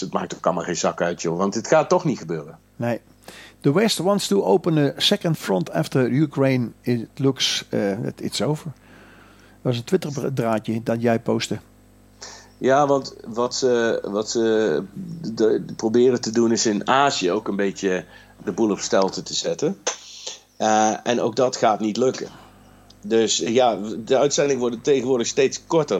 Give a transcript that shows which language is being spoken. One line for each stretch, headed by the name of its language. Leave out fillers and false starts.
Dutch: Het maakt ook allemaal geen zak uit, joh. Want het gaat toch niet gebeuren. Nee.
English: The West wants to open a second front after Ukraine. It looks it's over.
Dutch: Dat was een Twitter-draadje dat jij postte. Ja, want wat ze proberen te doen is in Azië ook een beetje de boel op stelte te zetten. En ook dat gaat niet lukken. Dus ja, de uitzendingen worden tegenwoordig steeds korter.